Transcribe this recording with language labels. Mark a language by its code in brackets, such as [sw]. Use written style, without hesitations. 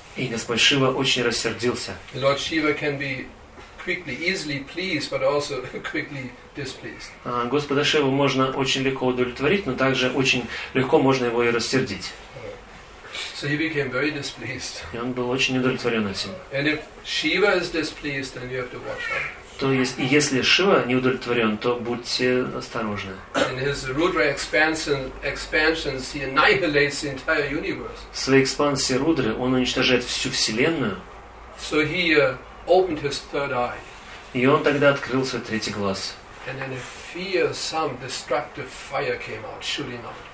[ru] И Господь Шива очень рассердился. [en] Lord Shiva can be quickly, easily pleased, but also quickly displeased. [ru] Господа Шиву можно очень легко удовлетворить, но также очень легко можно его и рассердить. [en] So he became very displeased. [ru] И он был очень удовлетворен этим. [en] And if Shiva is displeased, then you have to watch out. [ru] То есть, если Шива не удовлетворен, то будьте осторожны. [en] In his Rudra expansions, he annihilates the entire universe. [ru] В своей экспансии Рудры он уничтожает всю вселенную. [en] So he opened his third eye. [ru] И он тогда открыл свой третий глаз. [en] And then a fearsome destructive fire came out, shooting up.